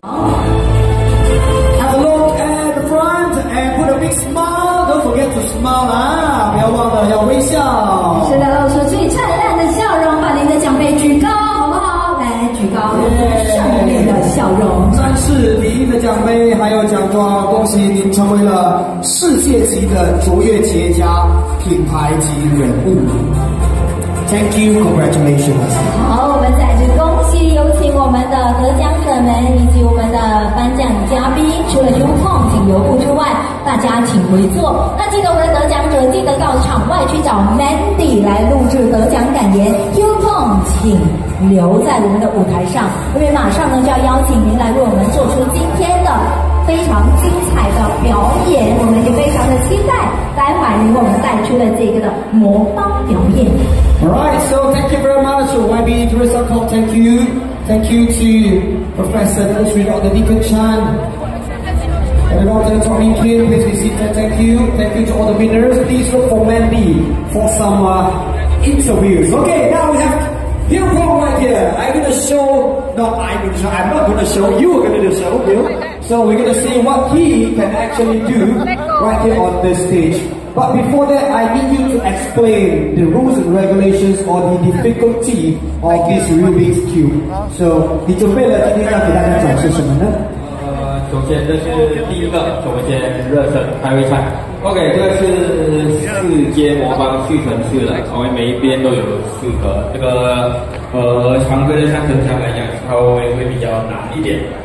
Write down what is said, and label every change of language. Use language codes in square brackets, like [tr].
[en] Have a look at the front and put a big smile. Don't forget to smile, [zh] 不要忘了要微笑。是的，露出最灿烂的笑容，把您的奖杯举高，好不好？来，举高，上面的笑容。展示您的奖杯还有奖状，恭喜您成为了世界级的卓越企业家、品牌及人物。 [en] Thank you, congratulations. [zh] 好，我们再次恭喜有请我们的得奖者们以及我们的颁奖嘉宾，除了优控请留步之外，大家请回座。那记得我们的得奖者记得到场外去找 Mandy 来录制得奖感言，优控请留在我们的舞台上，因为马上呢就要邀请您来为我们做出今天的非常精彩的表演，我们也非常的期待待会儿您为我们带出的这个的魔方表演。 [en] Alright, so thank you very much, YB Teresa Kok, thank you. Thank you to Professor Dr. Deacon Chan and Dr. Tommy Kim, please be seated, thank you. Thank you to all the winners. Please look for Mandy for some interviews. Okay, now we have Bill Kong right here. I'm going to show you, Bill. So we're going to see what he can actually do right here on this stage. But before that, I need you to explain the rules and regulations or the difficulty of this Rubik's Cube. [zh] So, 你准备了今天要给大家展示什么呢？首先这是第一个，我们先热身，开胃菜。 OK, 这是四阶魔方续存式的，我们每一边都有四个。这个常规的像真枪来讲，稍微会比较难一点。